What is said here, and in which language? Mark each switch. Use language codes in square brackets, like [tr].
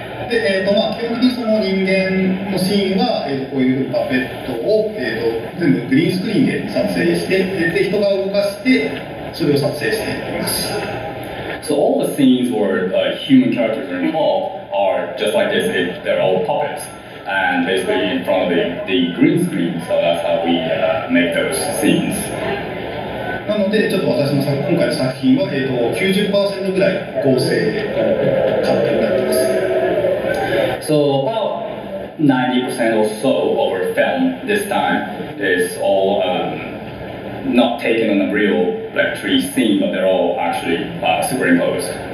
[en] So all the scenes where human characters are involved are just like this, they're all puppets. And basically in front of the green screen, so that's how we make those scenes. [ja] なので、ちょっと私の今回の作品は 90% ぐらい合成で撮ってます。 [en] So about 90% or so of our film this time is all not taken on a real like tree scene, but they're all actually superimposed.